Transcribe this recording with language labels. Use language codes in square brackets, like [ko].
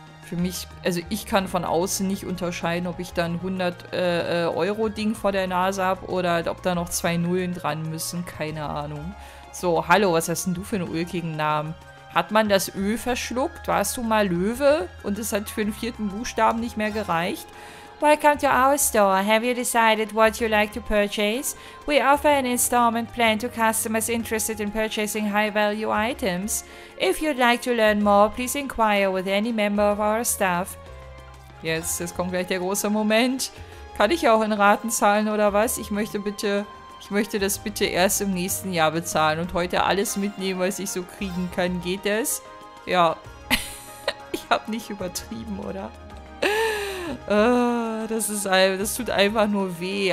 [de] Für mich, also ich kann von außen nicht unterscheiden, ob ich da ein 100-Euro-Ding vor der Nase habe oder ob da noch zwei Nullen dran müssen. Keine Ahnung. So, hallo, was hast denn du für einen ulkigen Namen? Hat man das Ö verschluckt? Warst du mal Löwe? Und es hat für den vierten Buchstaben nicht mehr gereicht? [en] Welcome to our store. Have you decided what you like to purchase? We offer an installment plan to customers interested in purchasing high-value items. If you'd like to learn more, please inquire with any member of our staff. [de] Jetzt kommt gleich der große Moment. Kann ich auch in Raten zahlen oder was? Ich möchte das bitte erst im nächsten Jahr bezahlen und heute alles mitnehmen, was ich so kriegen kann. Geht das? Ja. Ich habe nicht übertrieben, oder? Das tut einfach nur weh.